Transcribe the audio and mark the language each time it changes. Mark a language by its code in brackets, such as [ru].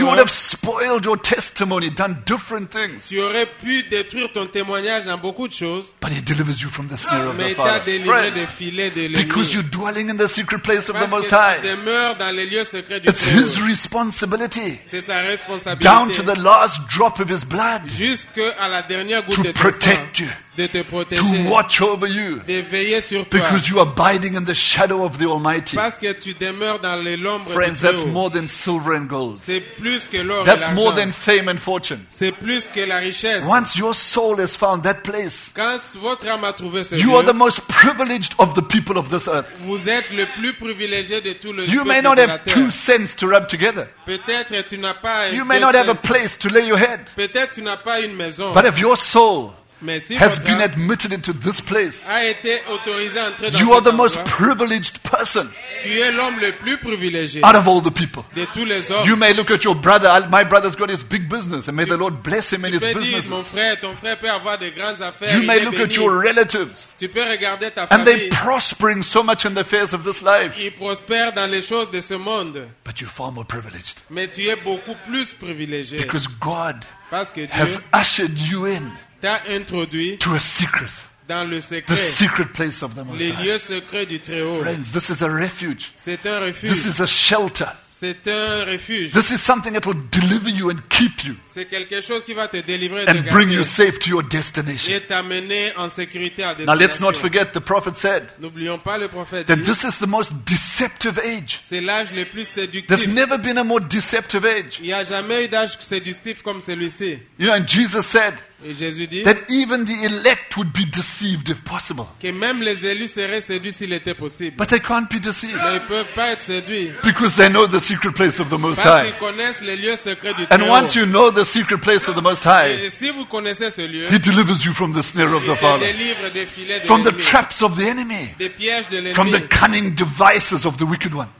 [en] You would have spoiled your testimony, done different things. [fr] Tu aurais pu détruire ton témoignage dans beaucoup de choses. [en] But he delivers you from the snare of [fr] mais [en] the fowler. [fr] Mais t'as délivré [en] friends, [fr] des filets de l'ennemi. [en] Because you're dwelling in the secret place [fr] parce [en] of the Most High. [fr] Parce que tu demeures dans les lieux secrets du [en] Dieu. It's his responsibility. [fr] C'est sa responsabilité. [en] Down to the last drop of his blood. [fr] Jusque à la dernière goutte de sang. [en] To protect you. [fr] De te protéger, [en] to watch over you, [fr] de veiller sur toi, [en] because you are abiding in the shadow of the Almighty. [fr] Parce que tu demeures dans l'ombre [en] friends, [fr] du Dieu. [en] That's more than silver and gold. [fr] C'est plus que l'or [en] that's [fr] et l'argent. [en] More than fame and fortune. [fr] C'est plus que la richesse. [en] Once your soul has found that place, [fr] quand votre âme a trouvé ce [en] you [fr] lieu, [en] are the most privileged of the people of this earth. [fr] Vous êtes le plus privilégié de tout le [en] you may not have 2 cents to rub together. [fr] Peut-être tu n'as pas [en] you may not have a place to lay your head. [fr] Peut-être tu n'as pas une maison. [en] But if your soul [fr] mais si [en] has been admitted into this place, [fr] a été autorisé à entrer dans [en] you are the most privileged person. [fr] Tu es l'homme le plus privilégié [en] out of all the people. [fr] De tous les hommes. [en] You may look at your brother. My brother's got his big business, and may the Lord bless him [fr] tu [en] in his business. [fr] Mon frère, ton frère peut avoir des grandes affaires. [en] You may look [fr] béni [en] at your relatives. [fr] Tu peux regarder ta [en] and [fr] famille. [en] They're prospering so much in the affairs of this life. [fr] Ils prospèrent dans les choses de ce monde. [en] But you're far more privileged. [fr] Mais tu es beaucoup plus privilégié. [en] Because God [fr] parce que Dieu [en] has ushered you in. [fr] T'a introduit [en] to a secret, [fr] dans le secret, [en] the secret place of the Most High. [fr] Les lieux secrets du Très-Haut. [en] Friends, this is a refuge. [fr] C'est un refuge. [en] This is a shelter. [fr] C'est un refuge. [en] This is something that will deliver you and keep you. [fr] C'est quelque chose qui va te délivrer [en] and bring you safe to your destination. [fr] Et t'amener en sécurité à destination. [en] Now let's not forget the prophet said. [fr] N'oublions pas le prophète [en] that [fr] dit [en] this is the most deceptive age. [fr] C'est l'âge le plus séductif. [en] There's never been a more deceptive age. [fr] Il y a jamais eu d'âge séductif comme celui-ci. [en] You know, and Jesus said [fr] et Jésus dit [en] that even the elect would be deceived if possible. [fr] Que même les élus seraient séduits s'il était possible. [en] But they can't be deceived. [fr] Mais ils peuvent pas être séduits. [en] Because they know the secret place of the Most [fr] parce [en] High. [fr] Parce qu'ils connaissent les lieux secrets du [en] Très-Haut. And once you know the secret place of the Most High, [fr] et si vous connaissez ce lieu, [en] He delivers you from the snare of the Father. [fr] Il te délivre des filets de l'ennemi. [en] From the traps of the enemy. [fr] Des pièges de l'ennemi. [en] From the cunning devices of the wicked one.